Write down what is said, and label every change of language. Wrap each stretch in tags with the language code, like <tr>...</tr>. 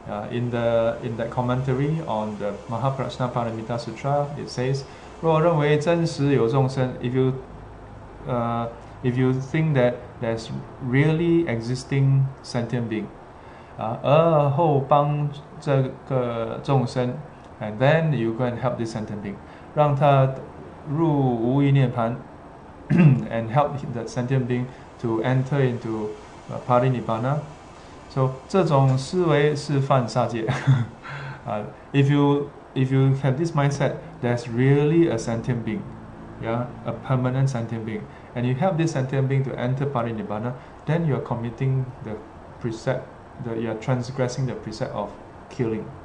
<en>In that commentary on the Mahaprajna Paramita Sutra, it says,</en> <zh>若认为真实有众生,</zh> <en>if you think that there's really existing sentient being,</en> <zh>而后帮这个众生,</zh> <en>and then you go and help this sentient being,</en> <zh>让他入无余涅槃,</zh> <en>and help the sentient being to enter into Parinibbana.</en> <zh>So 这种思维是犯杀戒.</zh> <en>if you have this mindset, there's really a sentient being, a permanent sentient being, and you help this sentient being to enter Parinibbana, then you're committing the precept, you're transgressing the precept of killing.</en>